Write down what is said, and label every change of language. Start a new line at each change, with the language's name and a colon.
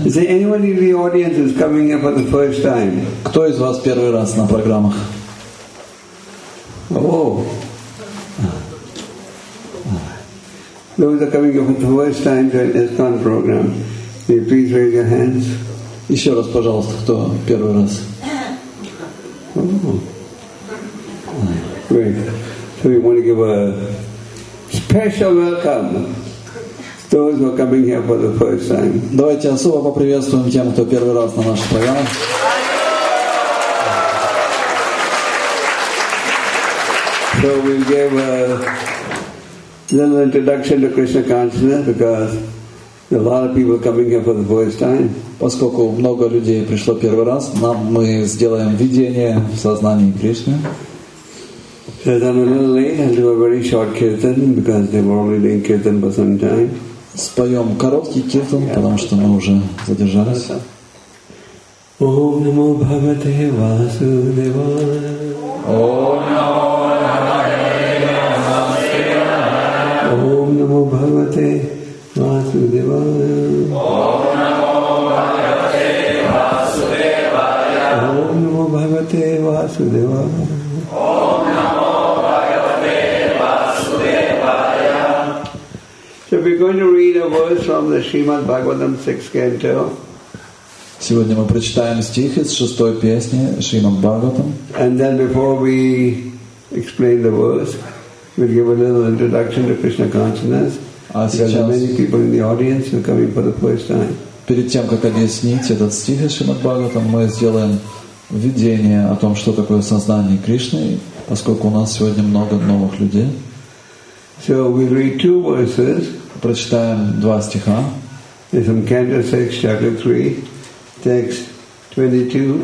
English: Is there anybody in the audience is coming here for the first time?
Russian: Кто из вас первый раз на программах? Oh.
English: Those are coming here for the first time to an ESKCON program. May you please raise your hands.
Russian: Еще раз, пожалуйста, кто первый раз?
English: Oh. Great. So we want to give a special welcome. Those who are coming here for the first time.
Russian: Давайте особо поприветствуем тем, кто первый раз на нашей программе.
English: So we gave a little introduction to Krishna consciousness because a lot of people coming here for the first time.
Russian: Поскольку много людей пришло первый раз, нам мы сделаем введение в сознание Кришны.
English: So I'm a little late. I'll do a very short kirtan because they were already doing kirtan for some time.
Russian: Споем короткий киртан, потому что мы уже задержались.
Sanskrit: Ом намо бхагавате васудевая. Ом намо бхагавате васудевая. Ом намо бхагавате васудевая. Ом намо бхагавате васудевая. Ом намо бхагавате васудевая.
English: We're going to read a verse from the Srimad Bhagavatam 6th canto.
Russian: Сегодня мы прочитаем стих из шестой песни Шримад Бхагаватам.
English: And then before we explain the verse, we'll give a little introduction to Krishna consciousness.
Russian: А сейчас
English: many people in the audience are coming for the first time.
Russian: Перед тем как объяснить этот стих из Шримад Бхагаватам, мы сделаем введение о том, что такое сознание Кришны, поскольку у нас сегодня много новых людей.
English: So we read two verses.
Russian: Прочитаем два стиха.
English: It's from Canto 6, chapter 3, text 22.